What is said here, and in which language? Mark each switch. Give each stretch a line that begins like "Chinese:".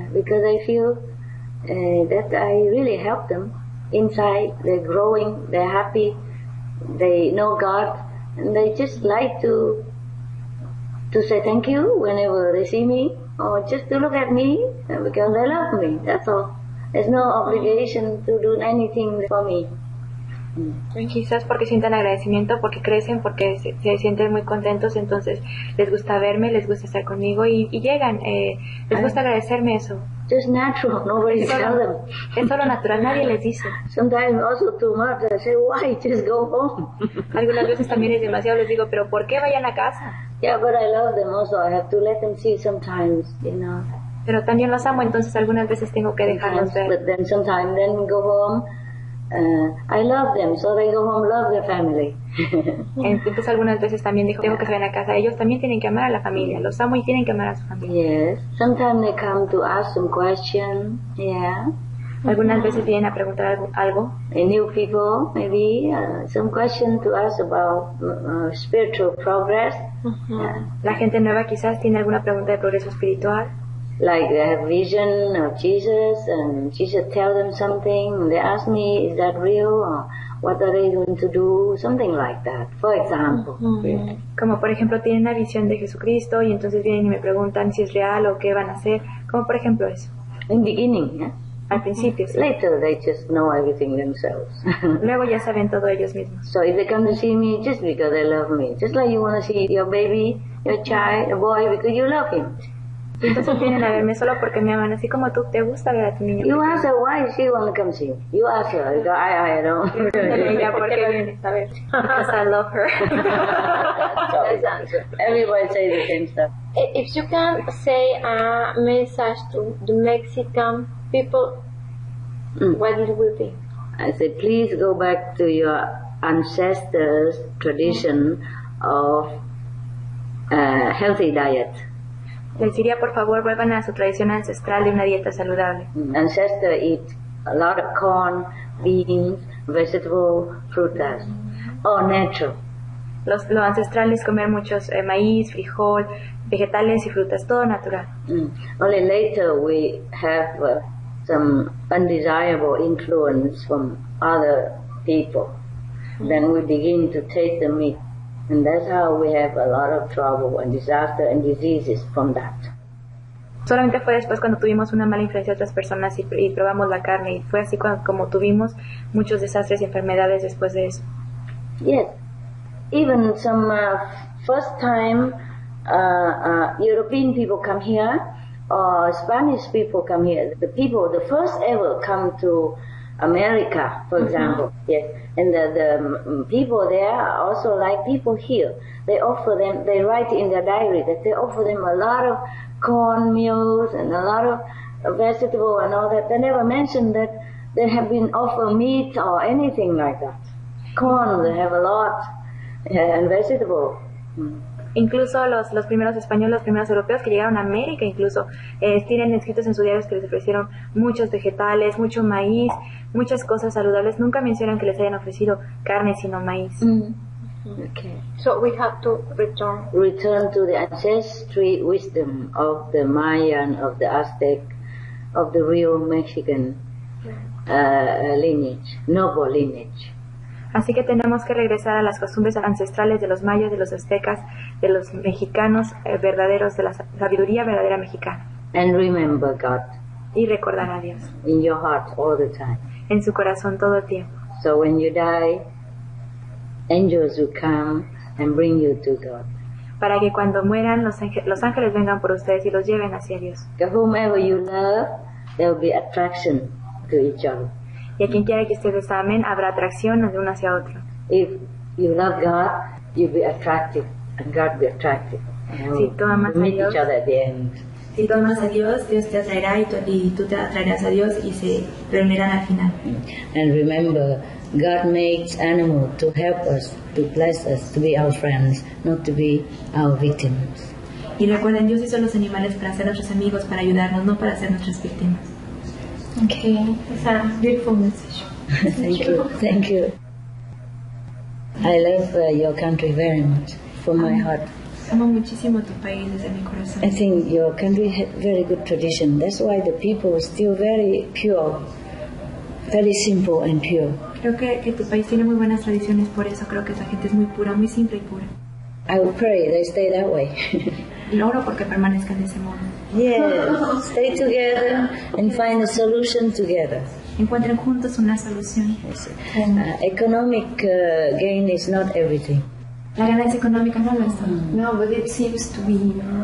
English: Yeah, because I feel that I really help them inside. They're growing, they're happy, they know God, and they just like to say thank you whenever they see me. Or just to look at me, because they love me, that's all. There's no obligation to do anything for me.
Spanish: Quizás porque sientan agradecimiento, porque crecen, porque se sienten muy contentos, entonces les gusta verme, les gusta estar conmigo, y llegan, les gusta agradecerme eso.
English: Just natural, nobody tells them.
Spanish: Es solo natural, nadie les dice.
English: Sometimes also too much, I say, why, just go home.
Spanish: Algunas veces también es demasiado, les digo, pero ¿por qué vayan a casa?
English: Yeah, but I love them also. I have to let them see sometimes, you know.
Spanish: Pero también los amo, entonces algunas veces tengo que dejarlos ver.
English: But then sometimes then go home. I love them, so they go home, love their family.
Spanish: Entonces algunas veces también digo, tengo que salir a casa. Ellos también tienen que amar a la familia. Los amo y tienen que amar a su familia.
English: Yes. Sometimes they come to ask some question. Yeah.
Spanish: Algunas veces vienen a preguntar algo.
English: A new people, maybe some question to ask about spiritual progress.
Spanish: La gente nueva quizás tiene alguna pregunta de progreso espiritual.
English: Like they have vision of Jesus, and Jesus tell them something. They ask me, is that real? Or what are they going to do? Something like that. For example.
Spanish: Como por ejemplo tienen una visión de Jesucristo y entonces vienen y me preguntan si es real o qué van a hacer. Como por ejemplo eso.
English: In beginning,
Spanish: Al principio, sí.
English: Later they just know everything themselves.
Spanish: Luego ya saben todo ellos mismos.
English: So if they come to see me, just because they love me. Just like you want to see your baby, your child, a boy, because you love him.
Spanish: Entonces vienen a verme solo porque me aman, así como tú, te gusta ver a tu niño.
English: You ask her, why she want to come see me? You ask her, I don't.
Spanish: Ella, ¿por qué viene?
English: Because I love her. Everybody say the same stuff. If you can say a message to the Mexican people, what it will be? I say, please go back to your ancestors' tradition of healthy diet.
Spanish: Les diría, por favor, vuelvan a su tradición ancestral de una dieta saludable.
English: Ancestors eat a lot of corn, beans, vegetables, frutas, all natural.
Spanish: Los ancestrales comer muchos maíz, frijol, vegetales y frutas, todo natural.
English: Only later we have some undesirable influence from other people. Then we begin to taste the meat. And that's how we have a lot of trouble and disaster and diseases from that.
Spanish: Solamente fue después cuando tuvimos una mala influencia de otras personas y probamos la carne, y fue así como tuvimos muchos desastres y enfermedades después de eso.
English: Yes. Even some first time European people come here, or Spanish people come here. The people, the first ever come to America, for example, yes, and the people there are also like people here. They offer them, they write in their diary that they offer them a lot of corn meals and a lot of vegetable and all that. They never mention that they have been offered meat or anything like that. Corn, they have a lot, and vegetable.
Spanish: Incluso los primeros españoles, los primeros europeos que llegaron a América, incluso tienen escritos en sus diarios que les ofrecieron muchos vegetales, mucho maíz, muchas cosas saludables. Nunca mencionan que les hayan ofrecido carne, sino maíz.
English: Okay. So we have to return. Return to the ancestry wisdom of the Mayan, of the Aztec, of the real Mexican lineage, noble lineage.
Spanish: Así que tenemos que regresar a las costumbres ancestrales de los mayas, de los aztecas, de los mexicanos verdaderos, de la sabiduría verdadera mexicana.
English: And remember God.
Spanish: Y recordar a Dios.
English: In your heart all the time.
Spanish: En su corazón todo el tiempo.
English: So when you die, angels will come and bring you to God.
Spanish: Para que cuando mueran los ángeles vengan por ustedes y los lleven hacia Dios.
English: To whomever you love, there will be attraction to each other.
Spanish: Y a quien quiera que ustedes amen, habrá atracción de uno hacia otro.
English: If you love God, you'll be attracted, and God will be attracted.
Spanish: Si tú amas a Dios,
English: meet each other at the end.
Spanish: Si tú amas a Dios, Dios te atraerá y tú te atraerás a Dios y se reunirán al final.
English: And remember, God makes animals to help us, to bless us, to be our friends, not to be our victims.
Spanish: Y recuerden, Dios hizo los animales para ser nuestros amigos, para ayudarnos, no para ser nuestras víctimas.
English: Okay, it's a beautiful message. Thank you. I love your country very much, from my heart.
Spanish: Amo muchísimo tu país desde mi corazón.
English: I think your country has very good tradition. That's why the people are still very pure, very simple and pure.
Spanish: Creo que tu país tiene muy buenas tradiciones, por eso creo que esa gente es muy pura, muy simple y pura.
English: I will pray they stay that way.
Spanish: Oro porque permanezcan de ese modo.
English: Yes, stay together and find a solution together.
Spanish: Encuentren juntos una solución.
English: Economic gain is not everything.
Spanish: La ganancia económica no lo es todo.
English: No, but it seems to be.